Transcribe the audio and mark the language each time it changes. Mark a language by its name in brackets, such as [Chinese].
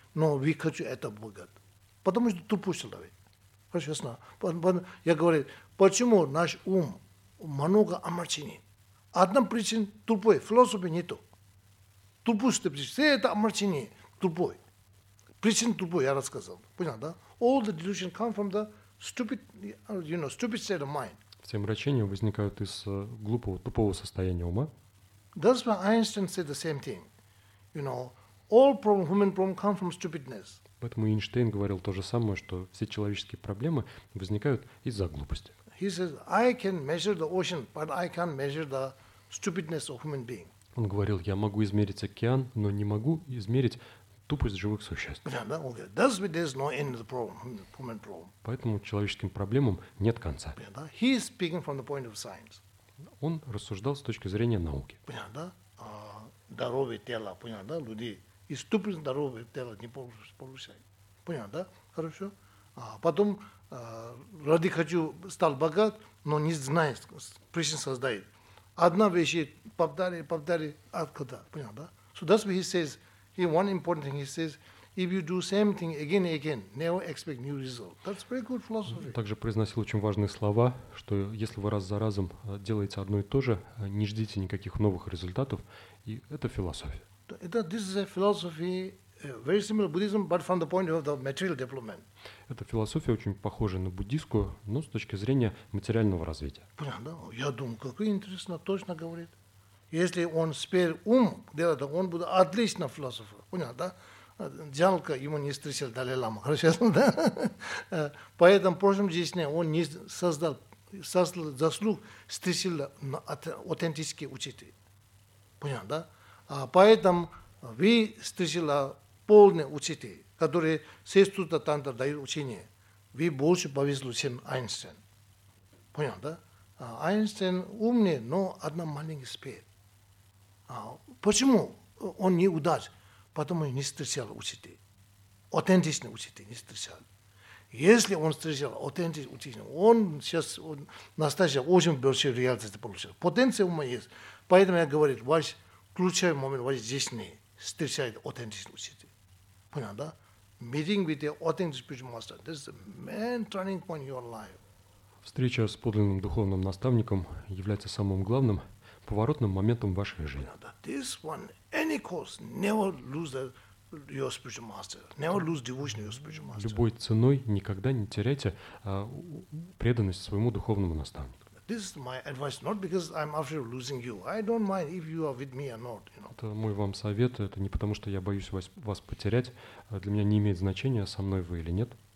[Russian] Но вы хочу это богат. Потому что тупой человек. Хорошо, ясно? Я говорю, почему наш ум много омрачений? Одна причина тупой, философии нету. Тупой причина. Все это омрачение тупой. Причина тупой, я рассказал. Понятно, да? [English] All the delusion come from the stupid, you know, stupid state of mind. [Russian] Все мрачения возникают из глупого, тупого состояния ума. [English] That's why Einstein said the same thing. You know, all problem, human problem come from stupidness. [Russian] Поэтому Эйнштейн говорил то же самое, что все человеческие проблемы возникают из-за глупости. [English] He says, I can measure the ocean, but I can't measure the stupidness of human being. [Russian] Он говорил, я могу измерить океан, но не могу измерить тупость живых существ. [English] That's why there's no end to the problem, human problem. [Russian] Поэтому человеческим проблемам нет конца. [English] He is speaking from the point of science. [Russian] Он рассуждал с точки зрения науки. Понятно, да? Здоровье тела, понятно, да, люди? И ступень здоровья тела не повышает. Понятно, да? Хорошо. Потом, ради хочу, стал богат, но не знает, причин создает. Одна вещь, повторяй, откуда? Понятно, да? [English] So that's what he says. He, one important thing he says, if you do same thing again and again, never expect new result. That's very good philosophy. [Russian] Также произносил очень важные слова, что если вы раз за разом делаете одно и то же, не ждите никаких новых результатов. И это философия. [English] This is a philosophy very similar to Buddhism, but from the point of the material development. [Russian] Эта философия очень похожа на буддийскую, но с точки зрения материального развития. Понятно, да? Я думаю, как интересно, точно говорит. Если он теперь ум делает, он будет отличным философом. Понятно, да? Жалко, ему не встретил Далай-лама. Хорошо, да? Поэтому в прошлом жизни он не создал заслуг, встретил аутентический учитель. Понятно, да? Поэтому вы встретили полный учитель, который все студенты танта дают учение. Вы больше повезли, чем Эйнштейн. Понял, да? Эйнштейн умный, но одна маленькая спеть. Почему он не удач? Потому что не встречал учитель. Аутентичный учитель не встречал. Если он встречал аутентичный учитель, он сейчас он настоящий очень большой реальность получил. Потенция ума есть. Поэтому я говорю, ваш ключевой момент вот здесь не встречает аутентичный учитель. Понятно, да? [English] Meeting with the authentic spiritual master. This is the main turning point in your life. [Russian] Встреча с подлинным духовным наставником является самым главным поворотным моментом в вашей жизни. Понятно, да? [English] This one, any course, never lose the, your spiritual master. Never lose devotion to your spiritual master. [Russian] Любой ценой никогда не теряйте преданность своему духовному наставнику. [English] This is my advice, not because I'm afraid of losing you. I don't mind if you are with me or not. You know. [Russian] Это мой вам совет. Это не потому, что я боюсь вас потерять. Для меня не имеет значения, со мной вы или нет.